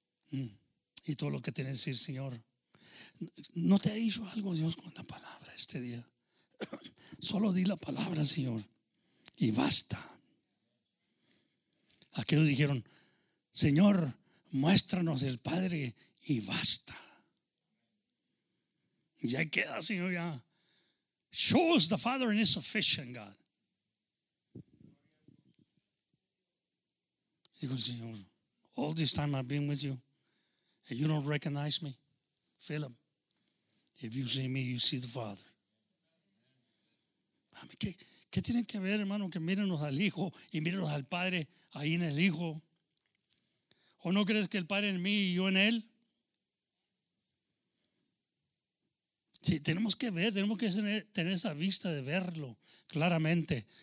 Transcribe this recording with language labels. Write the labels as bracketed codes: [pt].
[es] Y todo lo que tienes que decir, Señor, ¿no te ha hecho algo Dios con la palabra este día? Solo di la palabra, Señor, y basta. Aquellos dijeron, Señor, muéstranos el Padre y basta. Y ahí queda, Señor, ya. [en] Show us the Father and it's sufficient, God. [es] Digo, Señor, [en] all this time I've been with you and you don't recognize me, Philip, if you see me, you see the Father. [es] ¿Qué tiene que ver, hermano, que mírenos al Hijo y mírenos al Padre ahí en el Hijo? ¿O no crees que el Padre en mí y yo en Él? Sí, tenemos que ver, tenemos que tener esa vista de verlo claramente.